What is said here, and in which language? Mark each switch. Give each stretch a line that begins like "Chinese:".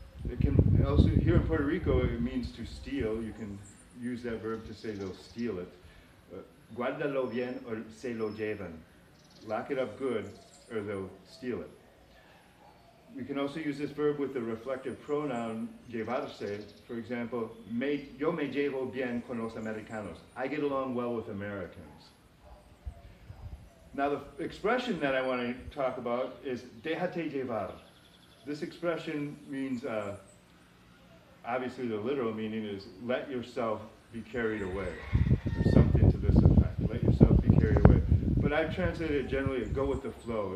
English: It can also, here in Puerto Rico, it means to steal. You can use that verb to say they'll steal it.
Spanish: Guárdalo bien o se lo llevan.
English: Lock it up good or they'll steal it. We can also use this verb with the reflective pronoun llevarse. For example,
Spanish: yo me llevo bien con los americanos.
English: I get along well with Americans. Now the expression that I want to talk about is déjate llevar. This expression means, obviously the literal meaning is let yourself be carried away. There's something to this effect, let yourself be carried away. But I've translated it generally as go with the flow.